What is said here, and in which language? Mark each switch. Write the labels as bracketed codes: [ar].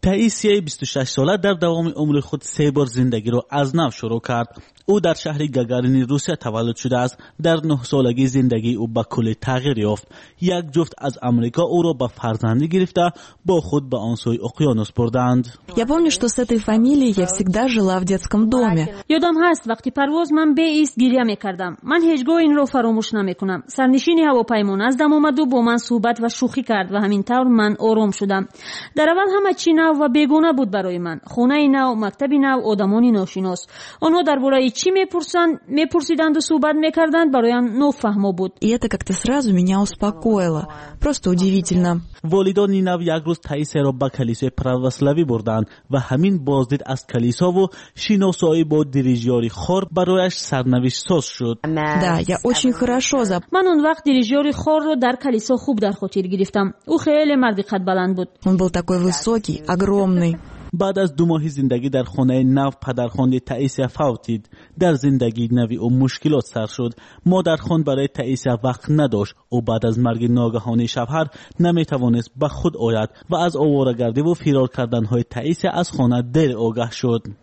[fa] تایسیه 26 ساله در دوام عمر خود سه بار زندگی را از نو شروع کرد. او در شهر گاگارین روسیه تولد شده است. در 9 سالگی زندگی او به کلی تغییر یافت. یک جفت از آمریکا او را به فرزندی گرفته با خود به آن سوی اقیانوس بردند. [ru] Я помню, что с этой фамилией я всегда жила в детском доме. [fa] یادم هست وقتی پرواز من به ایست گریه میکردم. من هیچگاه این را فراموش نمیکنم. سرنشین هواپیما از دم آمد و با من صحبت و شوخی کرد و همین طور من آروم شدم. در اول همه چی نو و بیگانه بود برای من. خانه نو، مکتب نو، آدمان ناشناس. آنها درباره چی میپرسند، میپرسیدند و صحبت میکردند، برایم نو فهمو بود. [ru] И это как-то сразу меня успокоило. Просто удивительно. [fa] والدین نو یک روز تایسه را به کلیسای پروسلاوی بردند و همین بازدید از کلیسا و شناسایی با دیریجیاری خور برایش سرنوشت ساز شد. [ru] Да, я очень хорошо за. [fa] من اون وقت دیریجیاری خور رو در کلیسا خوب در خاطر گرفتم. او خیلی مرد قد بلند بود. [ru] Он был такой высокий, огромный. [fa] بعد از دو ماهی زندگی در خانه نو پدرخوانده تائیسه فوتید. در زندگی نوی او مشکلات سر شد. مادرخوان برای تائیسه وقت نداشت. او بعد از مرگ ناگهانی شوهر نمیتوانست به خود آید و از آوارگردی و فرار کردن های تائیسه از خانه دیر آگاه شد.